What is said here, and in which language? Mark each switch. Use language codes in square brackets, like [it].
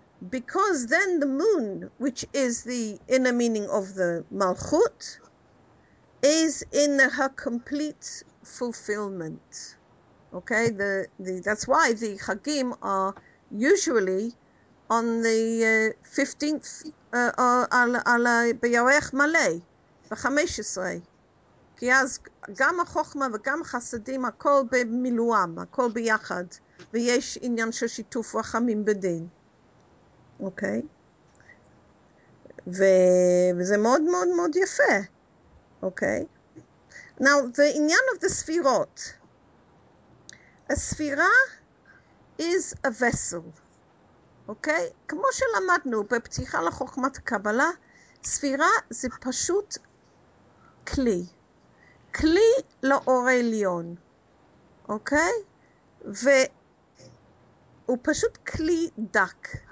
[en] Because then the moon, which is the inner meaning of the Malchut, is in her complete fulfillment. Okay, that's why the Chagim are usually on the 15th, [he] ala b'yawech malei, b'chameshesrei. כי אז גם החוכמה וגם חסדים הכל במילואם, הכל ביחד, ויש עניין של שיתוף רחמים בדין. אוקיי? וזה מאוד מאוד מאוד יפה. אוקיי? [en] Now, the עניין of the ספירות. הספירה is a vessel. [he] אוקיי? כמו שלמדנו בפתיחה לחוכמת הקבלה, ספירה זה פשוט כלי. כלי לאור העליון, אוקיי? והוא פשוט כלי דק.